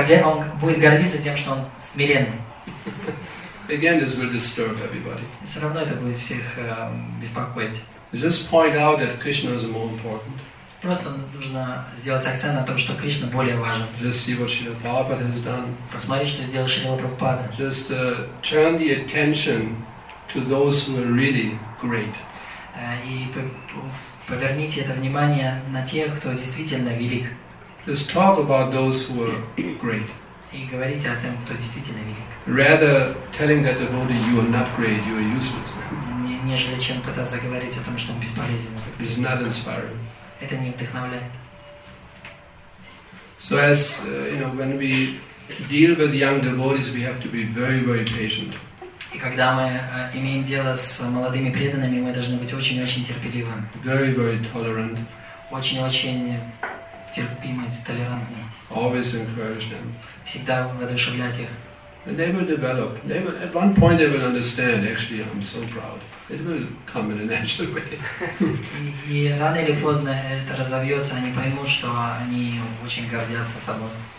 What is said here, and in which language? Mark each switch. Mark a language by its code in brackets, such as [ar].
[ru] Он будет гордиться тем, что он смиренный. [en] Again, this will disturb everybody. [ru] Все равно это будет всех беспокоить. [en] Just point out that Krishna is more important. [ru] Просто нужно сделать акцент на том, что Кришна более важен. [en] Just see what Srila Prabhupada has done. [ru] Посмотри, что сделал Шрила Прабхупада. [en] Just turn the attention to those who are really great. [ru] И поверните это внимание на тех, кто действительно велик. [en] Just talk about those who are great. [ru] И говорите о том, кто действительно велик. [en] Rather telling that devotee you are not great, you are useless. [ru] Нежели чем пытаться говорить о том, что он бесполезен. [en] It's not inspiring. [ru] Это не вдохновляет. [en] So as you know, when we deal with young devotees, we have to be very, very patient. [ru] И когда мы имеем дело с молодыми преданными, мы должны быть очень-очень терпеливы. [en] Very, very tolerant. [ru] Очень-очень терпимы, толерантны. [en] Always encourage them. [ru] Всегда воодушевлять их. [en] And they will develop. They will, at one point they will understand, actually, I'm so proud. It will come in a natural way. [ru] И рано или поздно это разовьется, они поймут, что они очень гордятся собой.